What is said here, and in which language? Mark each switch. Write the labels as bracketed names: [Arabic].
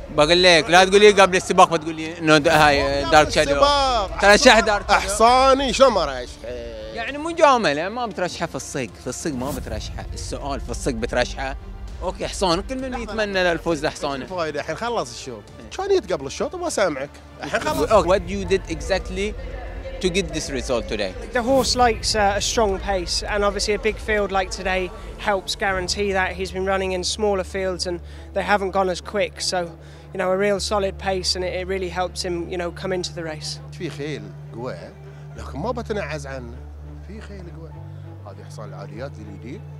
[Arabic] بقول لك لا تقول لي قبل السباق بتقول لي انه هاي دارك شادو ترشح دارك شادو احصاني شو ما رشحه يعني مجامله ما بترشحه في الصق في الصق ما بترشحه السؤال في الصق بترشحه اوكي حصان كل من يتمنى للفوز لحصانه فايده الحين خلص الشوط كان يت قبل الشوط وما سامعك الحين خلص [English] what you did exactly to get this result today the horse likes a strong pace and obviously a big field like today helps guarantee that he's been running in smaller fields and they haven't gone as quick so you know a real solid pace and it really helps him you know come into the race [Arabic] في خيل قوى لكن ما بتنعز عنه في خيل قوى هذه حصان العاليات الجديد